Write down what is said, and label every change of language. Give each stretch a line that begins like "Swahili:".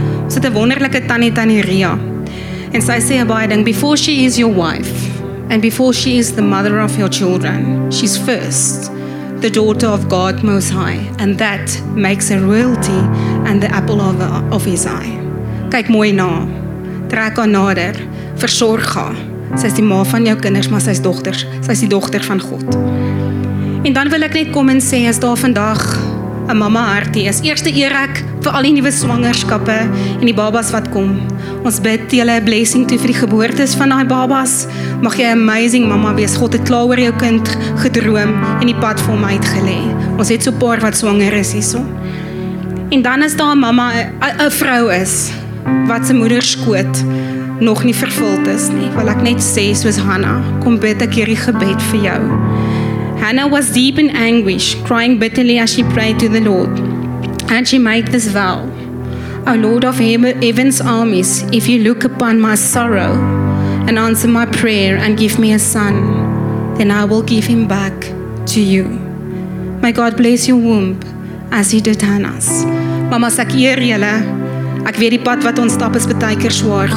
Afrikaans: Ons het 'n wonderlike tannie tannie Ria. En sy sê 'n baie ding,
English: before she is your wife and before she is the mother of your children, she's first the daughter of God Most High, and that makes her royalty and the apple of his eye.
Afrikaans: Kyk mooi na. Trek haar nader. Versorg haar. Sy is die ma van jou kinders, maar sy is dogters. Sy is die dogter van God. En dan wil ek net kom en sê, as daar vandag 'n mamma hartie is, eerste eer ek vir al die nuwe swangerskappe en die babas wat kom. Ons bid julle 'n blessing toe vir die geboortes van daai babas. Mag jy 'n amazing mamma wees. God het klaar oor jou kind gedroom en die pad vir hom uitgelê. Ons het so 'n paar wat swanger is hierso. En dan is daar 'n mamma, 'n vrou is wat se moederskoot nog nie vervul is nie. Wil ek net sê soos Hannah, kom bid ek hierdie gebed vir jou.
English: Hannah was deep in anguish, crying bitterly as she prayed to the Lord. And she made this vow, O Lord of heaven's armies, if you look upon my sorrow and answer my prayer and give me a son, then I will give him back to you. May God bless your womb as he did Hannah's.
Afrikaans: Mama, ek eer julle. Ek weet die pad wat ons stap is baie keer swaar.